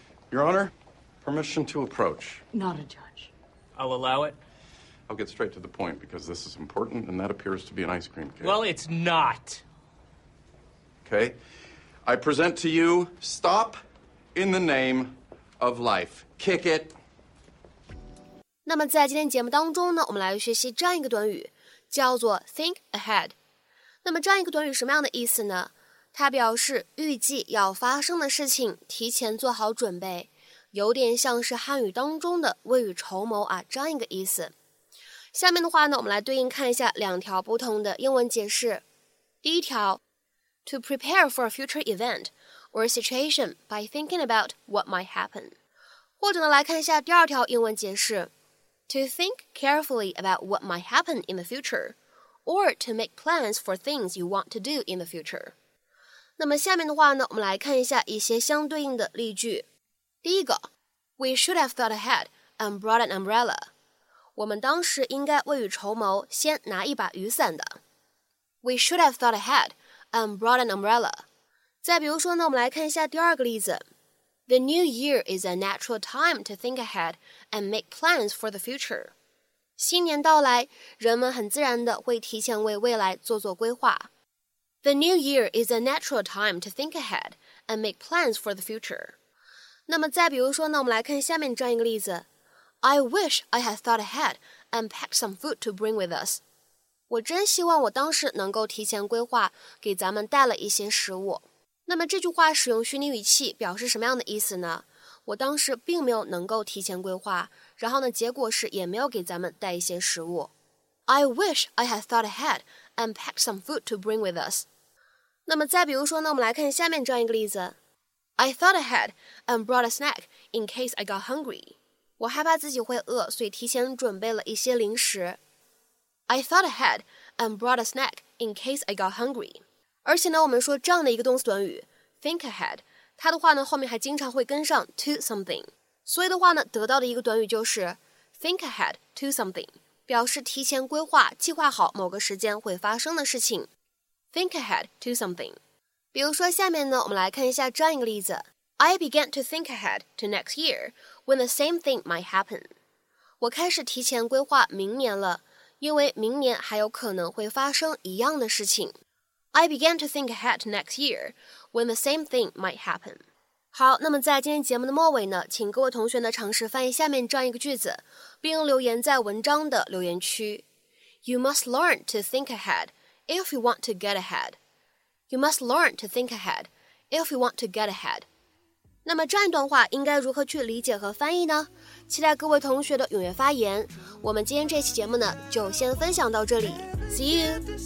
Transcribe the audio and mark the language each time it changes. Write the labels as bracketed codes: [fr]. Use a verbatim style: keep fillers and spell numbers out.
[en] Your Honor, permission to approach. Not a judge. I'll allow it. I'll get straight to the point, because this is important, and that appears to be an ice cream cake. Well, it's not. Okay. I present to you, stop in the name of life. Kick it. [zh] 那么在今天节目当中呢，我们来学习这样一个短语，叫做 think ahead。那么这样一个短语什么样的意思呢？它表示预计要发生的事情，提前做好准备，有点像是汉语当中的未雨绸缪啊，这样一个意思。下面的话呢，我们来对应看一下两条不同的英文解释。第一条 [en] ，to prepare for a future event or situation by thinking about what might happen。 [zh] 或者呢，来看一下第二条英文解释 [en] ，to think carefully about what might happen in the future or to make plans for things you want to do in the future。 [zh] 那么下面的话呢，我们来看一下一些相对应的例句。第一个 [en] ，We should have thought ahead and brought an umbrella。 [zh] 我们当时应该未雨绸缪，先拿一把雨伞的。 [en] We should have thought ahead and brought an umbrella. [zh] 再比如说呢，我们来看一下第二个例子。 [en] The new year is a natural time to think ahead and make plans for the future. [zh] 新年到来，人们很自然的会提前为未来做做规划。 [en] The new year is a natural time to think ahead and make plans for the future. [zh] 那么再比如说呢，我们来看下面这样一个例子。 [en] I wish I had thought ahead and packed some food to bring with us. [zh] 我真希望我当时能够提前规划，给咱们带了一些食物。那么这句话使用虚拟语气表示什么样的意思呢？我当时并没有能够提前规划，然后呢，结果是也没有给咱们带一些食物。 [en] I wish I had thought ahead and packed some food to bring with us. [zh] 那么再比如说呢，我们来看下面这样一个例子。 [en] I thought ahead and brought a snack in case I got hungry. [zh] 我害怕自己会饿，所以提前准备了一些零食。 [en] I thought ahead and brought a snack in case I got hungry. [zh] 而且呢，我们说这样的一个动词短语 think ahead， 它的话呢后面还经常会跟上 to something， 所以的话呢得到的一个短语就是 [en] think ahead to something， [zh] 表示提前规划计划好某个时间会发生的事情。 [en] Think ahead to something。 [zh] 比如说下面呢我们来看一下这样一个例子。 [en] I began to think ahead to next year when the same thing might happen. [zh] 我开始提前规划明年了，因为明年还有可能会发生一样的事情。 [en] I began to think ahead next year when the same thing might happen. [zh] 好，那么在今天节目的末尾呢，请各位同学呢尝试翻译下面这样一个句子，并留言在文章的留言区。 [en] You must learn to think ahead if you want to get ahead. You must learn to think ahead if you want to get ahead. [zh] 那么这样一段话应该如何去理解和翻译呢？期待各位同学的踊跃发言。我们今天这期节目呢就先分享到这里。 [en] See you!